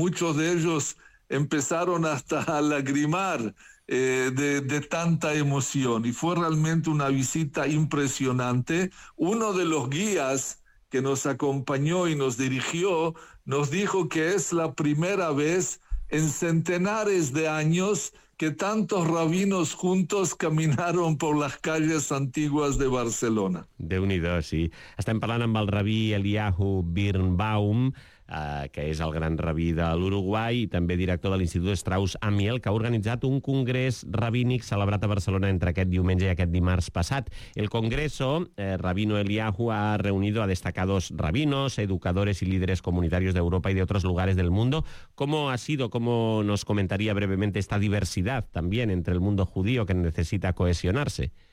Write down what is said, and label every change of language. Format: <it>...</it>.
<es>Muchos de ellos empezaron hasta a lagrimar de tanta emoción, y fue realmente una visita impresionante. Uno de los guías que nos acompañó y nos dirigió nos dijo que es la primera vez en centenares de años que tantos rabinos juntos caminaron por las calles antiguas de Barcelona.</es> <ca>Déu-n'hi-do, sí. Estem parlant amb el rabí Eliyahu Birnbaum, que és el gran rabí de l'Uruguai i també director de l'Institut Strauss Amiel, que ha organitzat un congrés rabínic celebrat a Barcelona entre aquest diumenge i aquest dimarts passat.</ca> <es>El congreso, Rabino Eliyahu ha reunido a destacados rabinos, educadores y líderes comunitarios de Europa y de otros lugares del mundo. ¿Cómo ha sido, cómo nos comentaría brevemente esta diversidad también entre el mundo judío que necesita cohesionarse?</es>